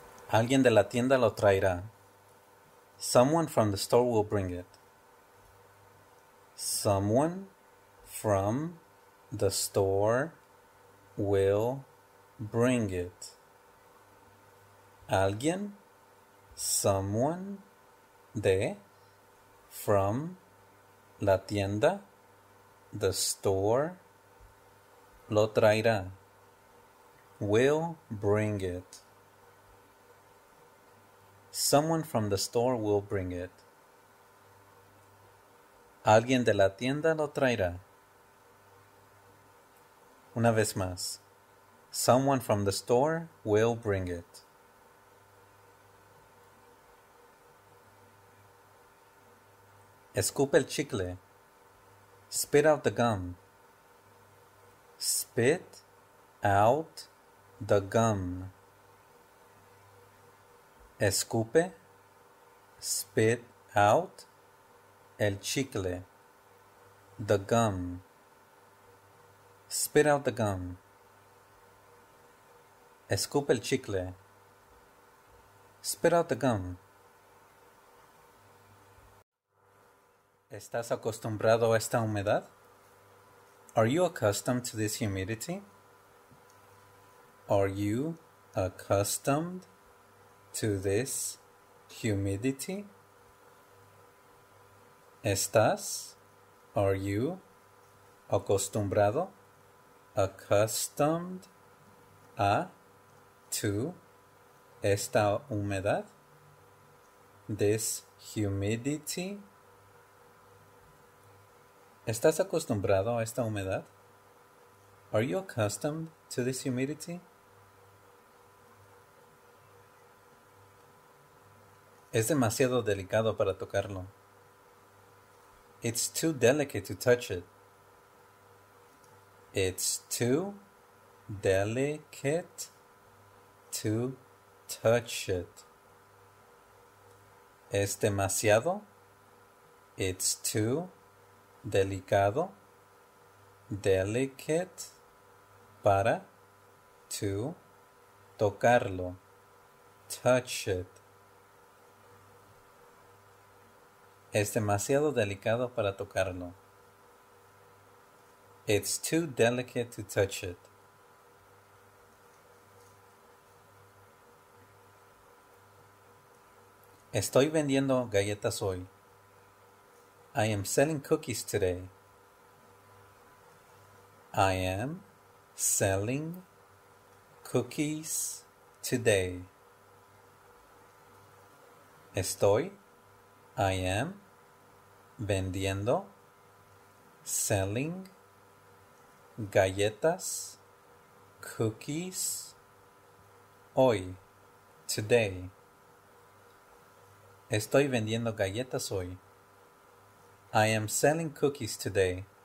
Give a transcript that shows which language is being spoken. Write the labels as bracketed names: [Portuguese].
[Spanish] Alguien de la tienda lo traerá. [English] Someone from the store will bring it. Someone from the store will bring it. [Spanish] Alguien, [English] someone, [Spanish] de, [English] from, [Spanish] la tienda, [English] the store, [Spanish] lo traerá. [English] Will bring it. Someone from the store will bring it. [Spanish] Alguien de la tienda lo traerá. Una vez más. [English] Someone from the store will bring it. [Spanish] Escupe el chicle. [English] Spit out the gum. Spit out the gum. [Spanish] Escupe. [English] Spit out [Spanish] el chicle. [English] The gum. Spit out the gum. [Spanish] Escupe el chicle. [English] Spit out the gum. [Spanish] ¿Estás acostumbrado a esta humedad? [English] Are you accustomed to this humidity? Are you accustomed to this humidity? [Spanish] ¿Estás? [English] Are you [Spanish] acostumbrado? [English] Accustomed [Spanish] a [English] to [Spanish] esta humedad? [English] This humidity? [Spanish] ¿Estás acostumbrado a esta humedad? [English] Are you accustomed to this humidity? [Spanish] Es demasiado delicado para tocarlo. [English] It's too delicate to touch it. It's too delicate to touch it. [Spanish] Es demasiado. [English] It's too [Spanish] delicado. [English] Delicate [Spanish] para [English] to [Spanish] tocarlo. [English] Touch it. [Spanish] Es demasiado delicado para tocarlo. [English] It's too delicate to touch it. [Spanish] Estoy vendiendo galletas hoy. [English] I am selling cookies today. I am selling cookies today. [Spanish] Estoy. [English] I am [Spanish] vendiendo, [English] selling, [Spanish] galletas, [English] cookies, [Spanish] hoy, [English] today. [Spanish] Estoy vendiendo galletas hoy. [English] I am selling cookies today.